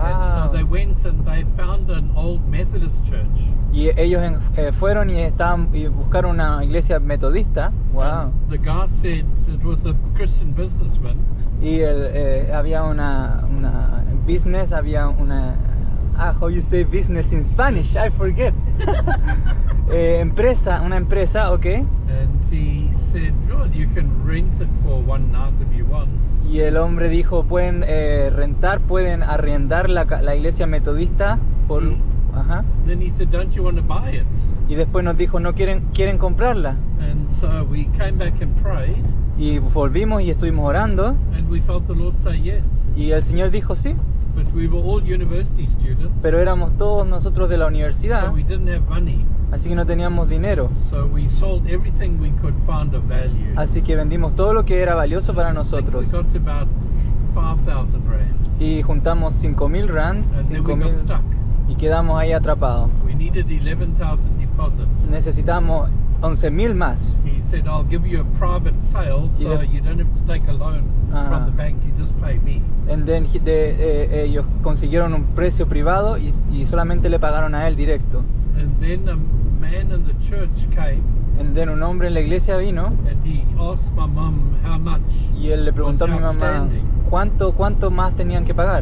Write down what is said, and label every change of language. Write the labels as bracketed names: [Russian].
[English] And so they went and they found an old Methodist church. [Spanish] Y ellos fueron y buscaron una iglesia metodista. Wow. [English] And the guy said it was a Christian businessman. [Spanish] Y había una empresa, okay. [English] And he said, God, you can rent it for one night if you want. [Spanish] Y el hombre dijo, pueden arrendar la iglesia metodista por... Ajá. [English] Then he said, don't you want to buy it? [Spanish] Y después nos dijo, no quieren comprarla. [English] And so we came back and prayed. [Spanish] Y volvimos y estuvimos orando. [English] And we felt the Lord say yes. [Spanish] Y el Señor dijo sí. [English] But we were all university students. [Spanish] Pero éramos todos nosotros de la universidad. [English] So we didn't have money. [Spanish] Así que no teníamos dinero. [English] So we sold everything we could find of value. [Spanish] Así que vendimos todo lo que era valioso para nosotros. [English] We got to about 5,000 rand. [Spanish] Y juntamos 5,000 rand. Y quedamos ahí atrapados. [English] We needed 11,000 deposit. [Spanish] Necesitamos 11,000 más. [English] He said, "I'll give you a private sale, so you don't have to take a loan from the bank. You just pay me." And then [Spanish] ellos consiguieron un precio privado y solamente le pagaron a él directo. [English] And then a man in the church came. And then [Spanish] un hombre en la iglesia vino. [English] And he asked my mom how much. [Spanish] Y él le preguntó a mi mamá cuánto más tenían que pagar.